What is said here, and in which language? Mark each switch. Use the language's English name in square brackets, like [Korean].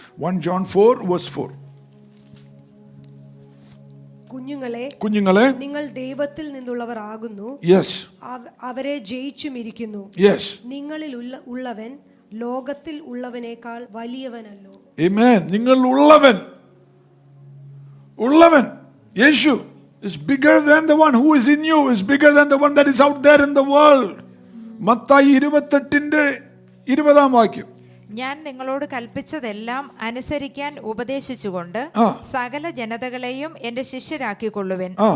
[English] 1 John 4:4. [Malayalam] കുഞ്ഞുങ്ങളെ, നിങ്ങൾ ദൈവത്തിൽ നിന്നുള്ളവർ ആകുന്നു. അവരെ ജയിച്ചും ഇരിക്കുന്നു. നിങ്ങളിൽ ഉള്ളവൻ ലോകത്തിൽ ഉള്ളവനേക്കാൾ വലിയവനല്ലോ. ആമേൻ. നിങ്ങളിൽ ഉള്ളവൻ, ഉള്ളവൻ യേശു [English] is bigger than the one who is in you, is bigger than the one that is out there in the world. [Malayalam] Matthayi 28:20. ഞാൻ നിങ്ങളോട് കൽപ്പിച്ചതെല്ലാം അനുസരിക്കാൻ ഉപദേശിച്ചുകൊണ്ട് സകല ജനതകളെയും എന്റെ ശിഷ്യരാക്കിക്കൊള്ളുവിൻ.